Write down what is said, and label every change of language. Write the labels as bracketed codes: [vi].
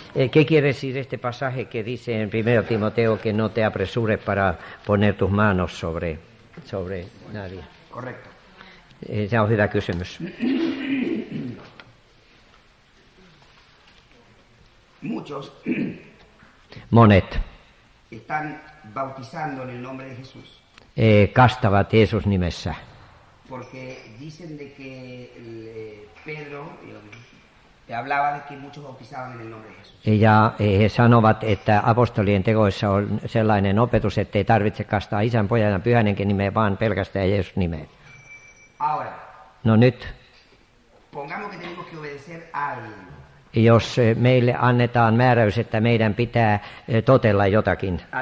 [es] ¿Qué quiere decir este pasaje que dice en 1 Timoteo que no te apresures para poner tus manos sobre nadie? Correcto. [fi] Se on hyvä kysymys. [es] Muchos. [fi] Monet. [es] Están bautizando en el nombre de Jesús. [fi] Kastavat Jeesus nimessä. [es] Porque dicen de que Pedro hablaba de que muchos bautizaban en el nombre de Jesús. [fi] Ja he sanovat, että apostolien tekoissa on sellainen opetus, että ei tarvitse kastaa Isän, Pojan ja Pyhän Hengen nimeen, vaan pelkästään Jeesus nimeen. [es] Ahora. [fi] No nyt. [es] Pongamos que tenemos que obedecer a alguien. [fi] Jos meille annetaan määräys, että meidän pitää totella jotakin.